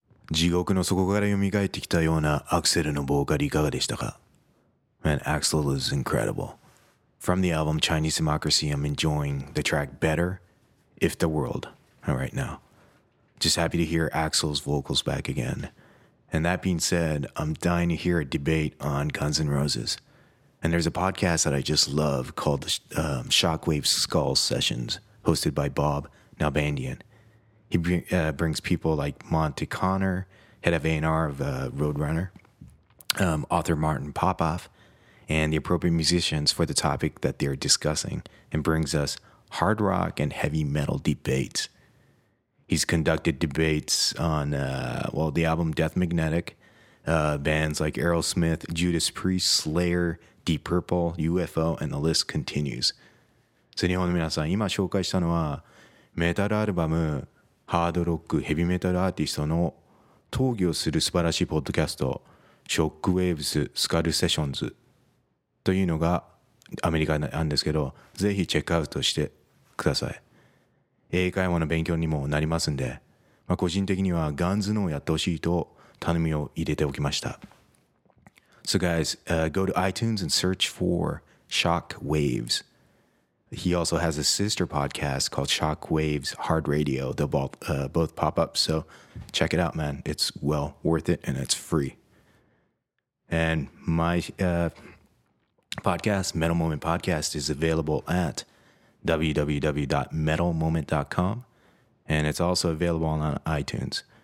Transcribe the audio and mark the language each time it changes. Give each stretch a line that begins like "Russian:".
Japanese: 地獄の底から蘇ってきたようなアクセルのボーカルいかがでしたか?
English: Man, Axl is incredible. From the album Chinese Democracy, I'm enjoying the track Better If The World right now. Just happy to hear Axl's vocals back again. And that being said, I'm dying to hear a debate on Guns N' Roses. And there's a podcast that I just love called Shockwave Skull Sessions, hosted by Bob Nalbandian. He brings people like Monte Connor, head of A&R of Roadrunner, author Martin Popoff, and the appropriate musicians for the topic that they're discussing, and brings us hard rock and heavy metal debates. He's conducted debates on, the album Death Magnetic, bands like Aerosmith, Judas Priest, Slayer, Deep Purple, UFO, and the list continues.
Japanese: So, 日本の皆さん、今紹介したのは、メタルアルバム、ハードロック、ヘビーメタルアーティストの討議をする素晴らしいポッドキャスト、ショックウェーブス、スカルセッションズ、というのがアメリカなんですけど、ぜひチェックアウトしてください。英会話の勉強にもなりますんで、まあ、個人的にはガンズのをやってほしいと頼みを入れておきました。
English: So guys, go to iTunes and search for Shock Waves. He also has a sister podcast called Shock Waves Hard Radio. They'll both pop up, so check it out, man. It's well worth it, and it's free. And my podcast, Metal Moment Podcast, is available at www.metalmoment.com, and it's also available on iTunes.